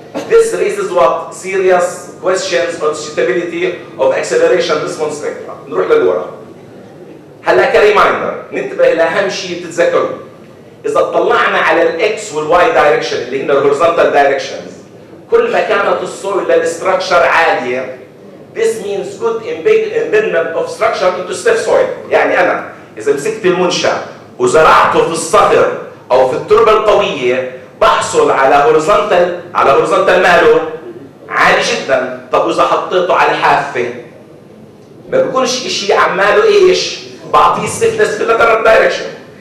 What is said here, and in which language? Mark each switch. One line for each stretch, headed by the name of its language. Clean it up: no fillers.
English: This raises what serious questions on suitability of acceleration response spectra.
Arabic: نروح اللي وراء. هلا كريمايندر، ننتبه لأهم شيء تتذكروا. إذا طلعنا على ال X وال Y direction اللي هنا horizontal directions، كل ما كانت الصويل للstructure عالية.
English: This means good embedment of structure into stiff soil.
Arabic: يعني أنا إذا مسكت المنشأ وزرعته في الصخر أو في التربة القوية بحصل على horizontal ماله عالي جدا. طب إذا حطيته على الحافة ما بيكونش إشي عماله إيش بعطيه stiffness في lateral direction.